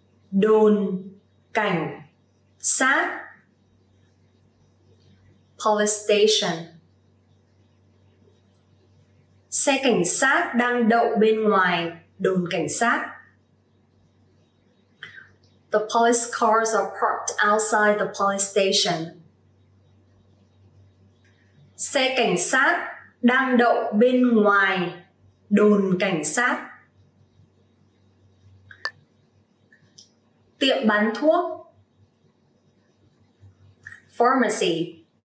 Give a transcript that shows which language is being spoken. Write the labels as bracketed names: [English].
[Vietnamese] Đồn cảnh sát. [English] Police station. [Vietnamese] Xe cảnh sát đang đậu bên ngoài đồn cảnh sát. [English] The police cars are parked outside the police station. [Vietnamese] Xe cảnh sát đang đậu bên ngoài đồn cảnh sát. Tiệm bán thuốc. [English] Pharmacy.